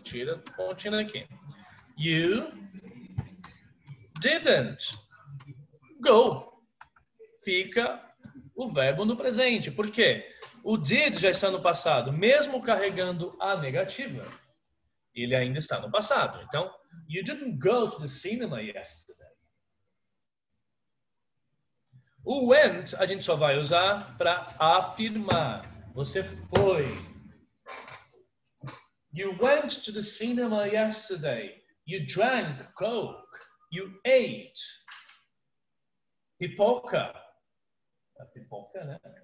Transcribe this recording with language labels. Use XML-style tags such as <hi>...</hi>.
<pt>Tira a pontinha aqui.</pt> <en>You... didn't go.</en> <pt>Fica o verbo no presente. Por quê? O did já está no passado, mesmo carregando a negativa, ele ainda está no passado. Então,</pt> <en>you didn't go to the cinema yesterday.</en> <pt>O went a gente só vai usar para afirmar. Você foi.</pt> <en>You went to the cinema yesterday. You drank coke. You ate</en> <pt>pipoca. A pipoca, né?</pt>